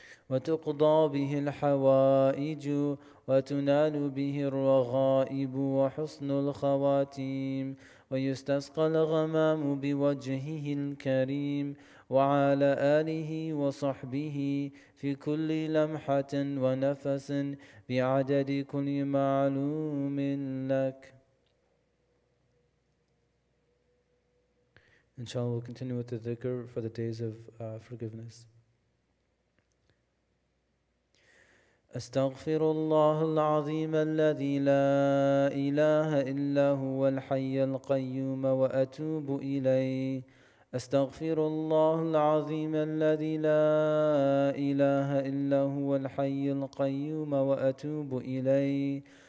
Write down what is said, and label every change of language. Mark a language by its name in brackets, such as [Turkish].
[Arabic] وتقضى به الحوائج وتنال به الرغائب وحسن الخواتيم ويستسقى الغمام بوجهه الكريم وعلى آله وصحبه في كل لمحة ونفس بعدد كل معلوم لك. [English] Inshallah, we'll continue with the dhikr for the days of forgiveness. [Arabic] أستغفر الله العظيم الذي لا إله إلا هو الحي القيوم وأتوب إليه. أستغفر الله العظيم الذي لا إله إلا هو الحي القيوم وأتوب إليه.